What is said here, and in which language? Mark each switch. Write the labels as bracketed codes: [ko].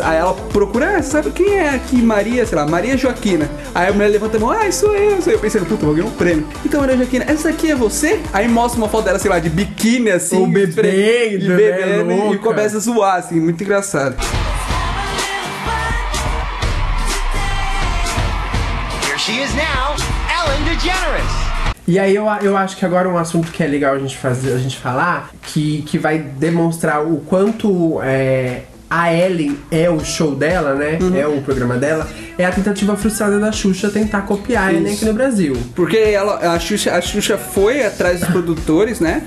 [pt] Aí ela procura, sabe quem é aqui, Maria, sei lá, Maria Joaquina. Aí a mulher levanta a mão, ah, sou eu. Pensando, puta, vou ganhar um prêmio. Então, Maria Joaquina, essa aqui é você? Aí mostra uma foto dela, sei lá, de biquíni, assim. Ou bebendo, e bebendo, né? E começa a zoar, assim, muito engraçado. [en] Here she is now, Ellen DeGeneres. [pt] E aí eu acho que agora um assunto que é legal a gente falar, que vai demonstrar o quanto é... A Ellen é o show dela, né? Uhum. É o programa dela. É a tentativa frustrada da Xuxa tentar copiar ela aqui no Brasil. Porque ela, a Xuxa foi atrás dos produtores, né?